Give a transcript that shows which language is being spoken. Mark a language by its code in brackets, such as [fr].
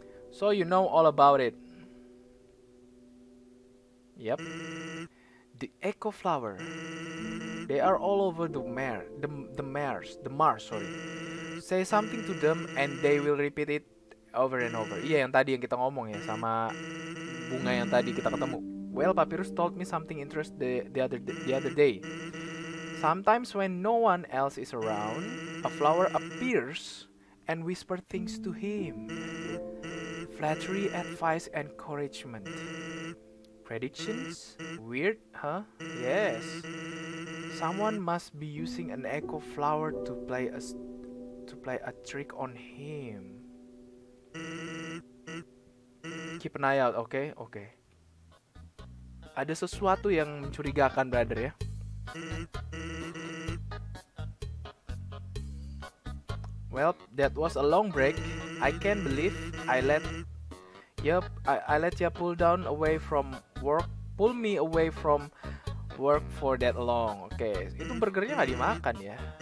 [en] So you know all about it. Yep. The echo flower. They are all over the Mars. Say something to them and they will repeat it over and over. [id] Iya, yang tadi yang kita ngomong ya, sama bunga yang tadi kita ketemu. [en] Well, Papyrus told me something interesting the other day. Sometimes when no one else is around, a flower appears and whisper things to him. Flattery, advice, encouragement. Predictions? Weird, huh? Yes. Someone must be using an echo flower to play a trick on him. Keep an eye out, okay? Okay. [id] Ada sesuatu yang mencurigakan, brother, ya? [en] Well, that was a long break. I can't believe I let you pull me away from work for that long. [id] Okay, itu burgernya nggak dimakan ya.